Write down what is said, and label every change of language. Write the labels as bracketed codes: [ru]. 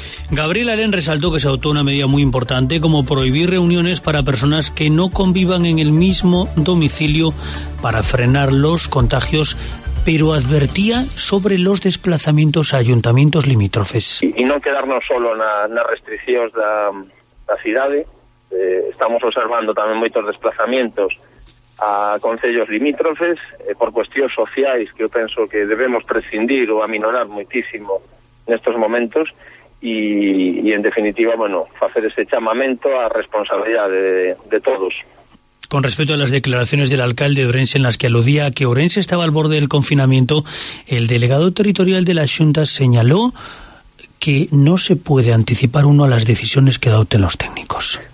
[es] Gabriel Alén resaltó que se adoptó una medida muy importante, como prohibir reuniones para personas que no convivan en el mismo domicilio para frenar los contagios, pero advertía sobre los desplazamientos a ayuntamientos limítrofes. Y no quedarnos solo [gl] nas restriccións da cidade. Estamos observando tamén moitos desplazamientos a concellos limítrofes, por cuestións sociais que eu penso que debemos prescindir ou aminorar moitísimo nestes momentos. [es] Y en definitiva, bueno, hacer ese llamamiento a responsabilidad de todos. Con respecto a las declaraciones del alcalde de Ourense en las que aludía que Ourense estaba al borde del confinamiento, el delegado territorial de la Xunta señaló que no se puede anticipar uno a las decisiones que adopten los técnicos.